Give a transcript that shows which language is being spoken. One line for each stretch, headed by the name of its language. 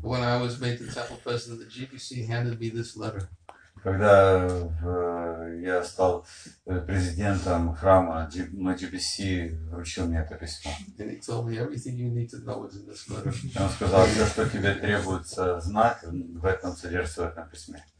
English: When I was made the temple president, the GPC handed me this letter.
Russian: Когда я стал президентом храма, на GPC вручил мне это письмо.
English: And he told me everything you need to know is in this letter.
Russian: Он сказал, всё, что тебе требуется знать, в этом содержится в этом письме.